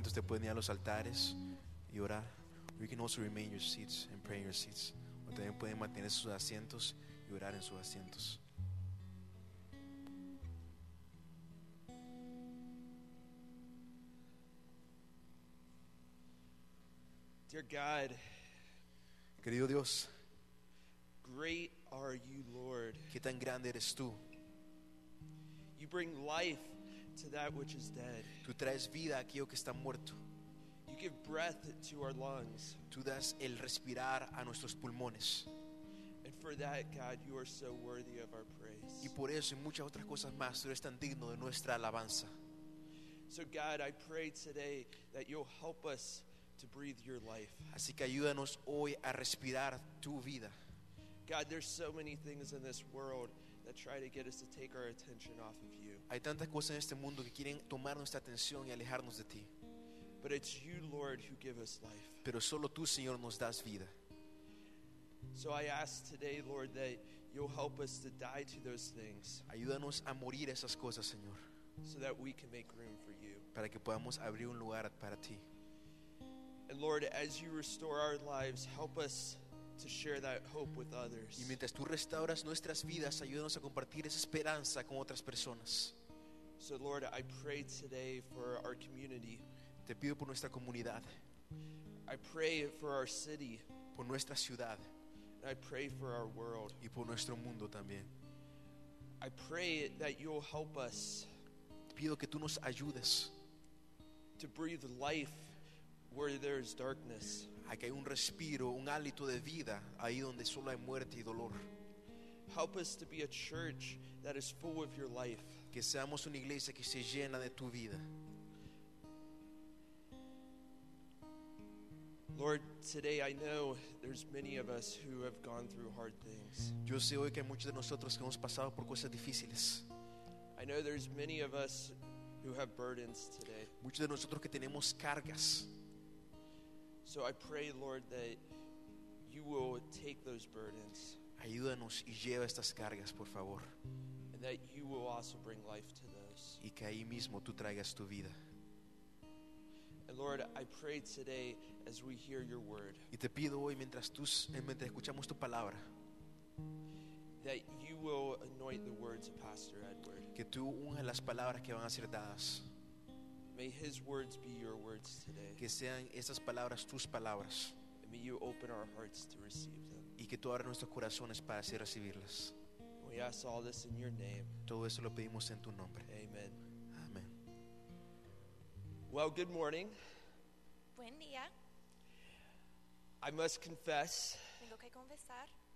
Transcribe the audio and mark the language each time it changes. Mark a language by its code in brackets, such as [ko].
[en] You can also remain your seats and pray in your seats. [es] O también pueden mantener sus asientos y orar en sus asientos. [en] Dear God, [es] querido Dios, [en] great are you, Lord. [es] Qué tan grande eres tú. [en] You bring life to that which is dead. [es] Tú traes vida a aquello que está muerto. [en] You give breath to our lungs. [es] Tú das el respirar a nuestros pulmones. [en] And for that, God, you are so worthy of our praise. [es] Y por eso y muchas otras cosas más, tú eres tan digno de nuestra alabanza. [en] So God, I pray today that you'll help us to breathe your life. [es] Así que ayúdanos hoy a respirar tu vida. [en] God, there's so many things in this world that try to get us to take our attention off of you. [es] Hay tantas cosas en este mundo que quieren tomar nuestra atención y alejarnos de ti. [en] But it's you, Lord, who give us life. [es] Pero solo tú, Señor, nos das vida. [en] So I ask today, Lord, that you'll help us to die to those things. [es] Ayúdanos a morir esas cosas, Señor. [en] So that we can make room for you. [es] Para que podamos abrir un lugar para ti. [en] And Lord, as you restore our lives, help us to share that hope with others. [es] Y mientras tú restauras nuestras vidas, ayúdanos a compartir esa esperanza con otras personas. [en] So Lord, I pray today for our community. [es] Te pido por nuestra comunidad. [en] I pray for our city. [es] Por nuestra ciudad. [en] And I pray for our world. [es] Y por nuestro mundo también. [en] I pray that you'll help us. [es] Pido que tú nos ayudes. [en] To breathe life where there is darkness. [es] A que hay un respiro, un hálito de vida ahí donde solo hay muerte y dolor. [en] Help us to be a church that is full of your life. [es] Que seamos una iglesia que se llena de tu vida. [en] Lord, today I know there's many of us who have gone through hard things. [es] Yo sé hoy que hay muchos de nosotros que hemos pasado por cosas difíciles. [en] I know there's many of us who have burdens today. [es] Muchos de nosotros que tenemos cargas. [en] So I pray, Lord, that you will take those burdens. [es] Ayúdanos y lleva estas cargas, por favor. [en] And that you will also bring life to those. [es] Y que ahí mismo tú traigas tu vida. [en] And Lord, I pray today as we hear your word. [es] Y te pido hoy mientras escuchamos tu palabra. [en] That you will anoint the words of Pastor Edward. [es] Que tú unjas las palabras que van a ser dadas. [en] May his words be your words today. [es] Que sean esas palabras tus palabras. [en] And may you open our hearts to receive them. [es] Y que tú abras nuestros corazones para así recibirlas. [en] We ask all this in your name. [es] Todo eso lo pedimos en tu nombre. Amen. Amen. [en] Well, good morning. [es] Buen día. [en] I must confess. [es] Tengo que confesar.